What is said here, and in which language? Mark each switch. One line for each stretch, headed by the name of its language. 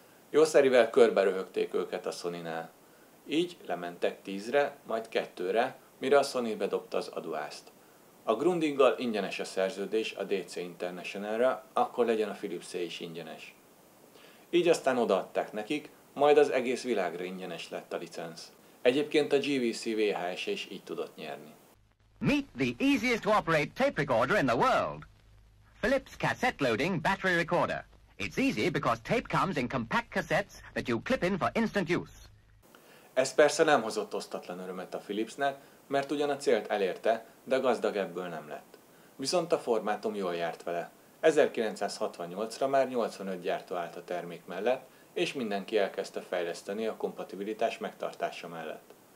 Hungarian: Jószerivel körberöhögték őket a Sonynál. Így lementek 10-re, majd 2-re, mire a Sony bedobta az aduást. A Grundiggal ingyenes a szerződés a DC International-ra, akkor legyen a Philipsé is ingyenes. Így aztán odaadták nekik, majd az egész világra ingyenes lett a licenc. Egyébként a GVC VHS is így tudott nyerni.
English: Meet the easiest to operate tape recorder in the world. Philips Cassette Loading Battery Recorder. It's easy because tape comes in compact cassettes that you clip in for instant use.
Hungarian: Ez persze nem hozott osztatlan örömet a Philipsnek, mert ugyan a célt elérte, de gazdag ebből nem lett. Viszont a formátum jól járt vele. 1968-ra már 85 gyártó állt a termék mellett, és mindenki elkezdte fejleszteni a kompatibilitás megtartása mellett.